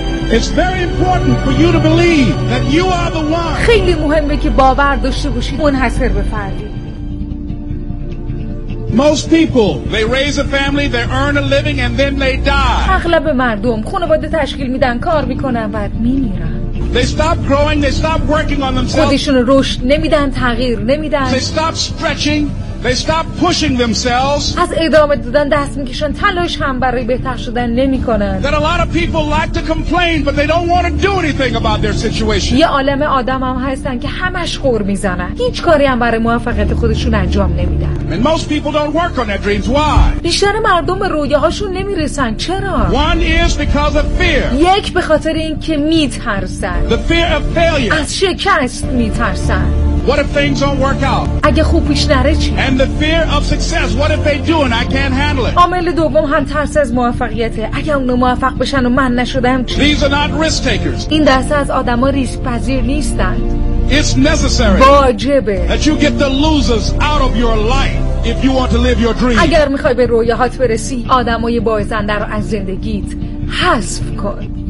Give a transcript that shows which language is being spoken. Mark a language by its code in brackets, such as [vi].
[en] It's very important for you to believe that you are the one. [fa] خیلی مهمه که باور داشته باشید منحصر به فردی. [en] Most people, they raise a family, they earn a living and then they die. [fa] اغلب مردم خانواده تشکیل میدن، کار میکنن و بعد میمیرن. [en] They stop growing, they stop working on themselves. [fa] خودشون رشد نمیدن، تغییر نمیدن. [en] They stop stretching, they stop pushing themselves. [fa] از ادامه دادن دست میکشن، تلاش هم برای بهتر شدن نمیکنن. [en] There are a lot of people like to complain but they don't want to do anything about their situation. یه عالم آدم هم هستن که همش غر میزنن، هیچ کاری هم برای موفقیت خودشون انجام نمیدن. And most people don't work on their dreams. Why? [fa] بیشتر مردم به رویاهاشون نمیرسن. چرا؟ [en] One is because of fear. [fa] یک، به خاطر اینکه میترسن. [en] The fear of failure. [fa] از شکست میترسن. [en] What if things don't work out? [fa] اگه خوب پیش نره چی؟ [en] And the fear of success. What if they do and I can't handle it? [fa] عامل دوم هم ترس از موفقیته. اگه اونا موفق بشن و من نشدم چی؟ [en] These are not risk takers. [fa] این دسته از آدما ریسک پذیر نیستن. [en] It's necessary. [fa] واجبه. [en] That you get the losers out of your life if you want to live your dream. [fa] اگر میخوای به رویاهات برسی، آدمای بازنده رو از زندگیت حذف کن.